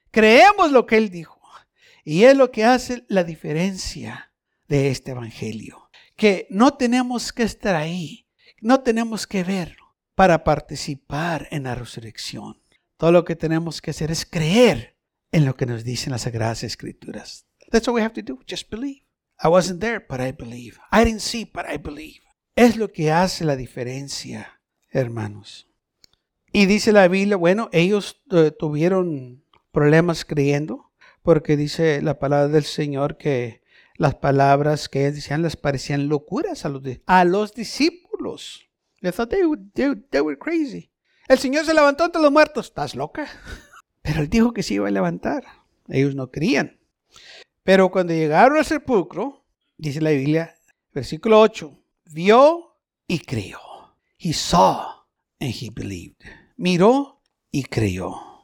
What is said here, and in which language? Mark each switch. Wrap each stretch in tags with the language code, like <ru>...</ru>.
<es>Creemos lo que Él dijo. Y es lo que hace la diferencia de este evangelio. Que no tenemos que estar ahí. No tenemos que verlo para participar en la resurrección. Todo lo que tenemos que hacer es creer en lo que nos dicen las Sagradas Escrituras.</es> <en>That's all we have to do, just believe. I wasn't there, but I believe. I didn't see, but I believe.</en> <es>Es lo que hace la diferencia, hermanos. Y dice la Biblia, bueno, ellos tuvieron problemas creyendo, porque dice la palabra del Señor que las palabras que ellos decían les parecían locuras a los discípulos.</es> <en>They thought they were crazy.</en> <es>El Señor se levantó entre los muertos. ¿Estás loca? Pero Él dijo que se iba a levantar. Ellos no creían. Pero cuando llegaron al sepulcro, dice la Biblia, versículo 8, vio y creyó.</es> <en>He saw and he believed.</en> <es>Miró y creyó.</es>